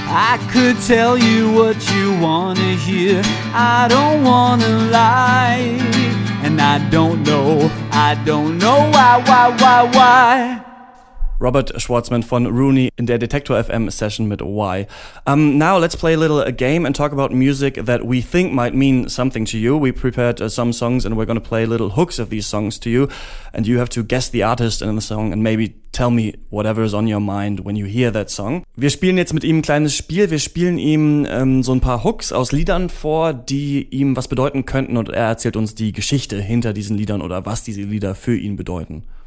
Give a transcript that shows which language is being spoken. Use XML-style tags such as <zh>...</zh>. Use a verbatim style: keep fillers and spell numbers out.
<en>I could tell you what you wanna hear, I don't wanna lie. And I don't know, I don't know why, why, why, why.</en> <de>Robert Schwartzman von Rooney in der Detektor F M Session mit Why.</de> <en>Um, now let's play a little a game and talk about music that we think might mean something to you. We prepared uh, some songs and we're going to play little hooks of these songs to you. And you have to guess the artist in the song and maybe tell me whatever is on your mind when you hear that song.</en> <de>Wir spielen jetzt mit ihm ein kleines Spiel. Wir spielen ihm ähm, so ein paar Hooks aus Liedern vor, die ihm was bedeuten könnten. Und er erzählt uns die Geschichte hinter diesen Liedern oder was diese Lieder für ihn bedeuten.</de>